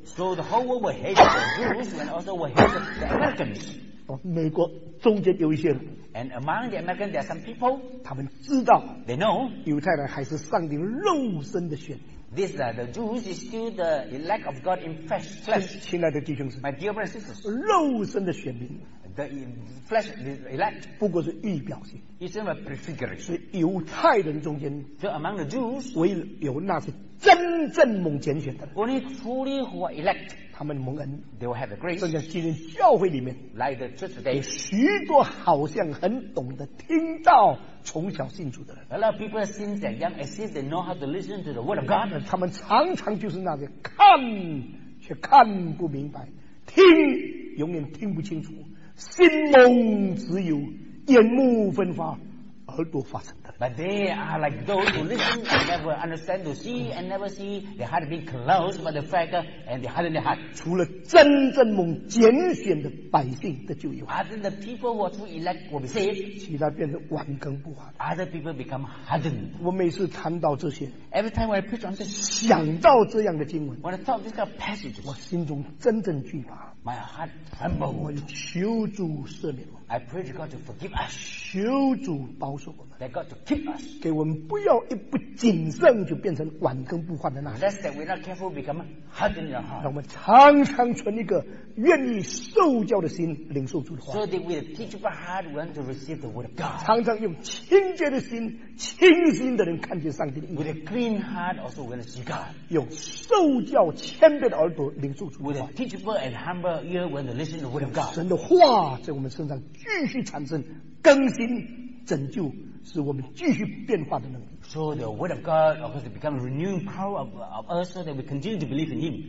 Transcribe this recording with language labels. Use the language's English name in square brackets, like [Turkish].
[English] so the whole world will hate the Jews and also will hate the Americans [Chinese] 美国中间有一些人 [English] and among the Americans there are some people [Chinese] 他们知道 [English] they know [Chinese] 犹太人还是上帝肉身的选民 [English] this the Jews is still the elect of God in flesh [Chinese] 亲爱的弟兄姊妹 [English] my dear brothers and sisters [Chinese] 肉身的选民 [English] the flesh the elect [Chinese] 不过是预表性 [English] it's a prefiguration [Chinese] 是犹太人中间 [English] so among the Jews [Chinese] 唯有那是真正蒙拣选的 [English] only truly who are elect [Chinese] 他们蒙恩 [English] they will have the grace [Chinese] 正在今天教会里面 [English] like the church today [Chinese] 有许多好像很懂得听到从小信主的人 [English] a lot of people since they're young as if they know how to listen to the word of God [Chinese] 他们常常就是那些看却看不明白听永远听不清楚心蒙只有眼目分发耳朵发沉的 [English] but they are like those who listen and never understand to see and never see their heart being closed by the fact and they harden their heart [Chinese] 除了真正蒙拣选的百姓的救有 [English] other the people who are to elect will be saved [Chinese] 其他变成顽梗不化 [English] other people become hardened [Chinese] 我每次谈到这些 [English] every time I preach on this [Chinese] 想到这样的经文 [English] when I talk this kind of passage [Chinese] 我心中真正惧怕 [English] my heart trembled [Chinese] 我求主赦免我 [English] I pray to God to forgive us. [Chinese] 求主保守我们。 [English] That God to keep us. [Chinese] 给我们不要一不谨慎就变成顽梗不化的那。 [English] Lest that we're not careful become hardened in our heart. [Chinese] 让我们常常存一个愿意受教的心，领受主的话。 [English] So that we're teachable heart, we want to receive the word of God. [Chinese] 常常用清洁的心，清心的人看见上帝的意。 [English] With a clean heart, also we want to see God. [Chinese] 用受教谦卑的耳朵领受主的话。 [English] With a teachable and humble ear, we want to listen to the word of God. [Chinese] 神的话在我们身上。继续产生更新拯救使我们继续变化的能力 [English] so the word of God of course become a renewing power of us so that we continue to believe in him